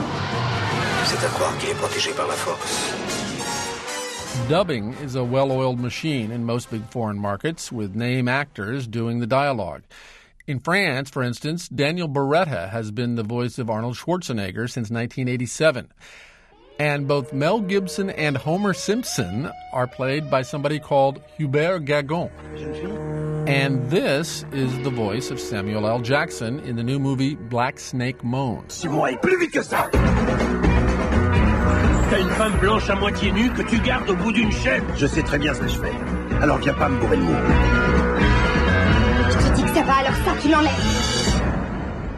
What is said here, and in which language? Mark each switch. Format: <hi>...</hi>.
<fr>de croire qu'il est protégé par la force.</fr> <en>Dubbing is a well-oiled machine in most big foreign markets, with name actors doing the dialogue. In France, for instance, Daniel Beretta has been the voice of Arnold Schwarzenegger since 1987. And both Mel Gibson and Homer Simpson are played by somebody called Hubert Gagon. And this is the voice of Samuel L. Jackson in the new movie Black Snake Moans.</en> <fr>Suis-moi, plus vite que ça! T'as une femme blanche à moitié nue que tu gardes au bout d'une chaîne. Je sais très bien ce que je fais. Alors viens pas me bourrer le mou. Je te dis que ça va, alors ça, tu l'enlèves.</fr>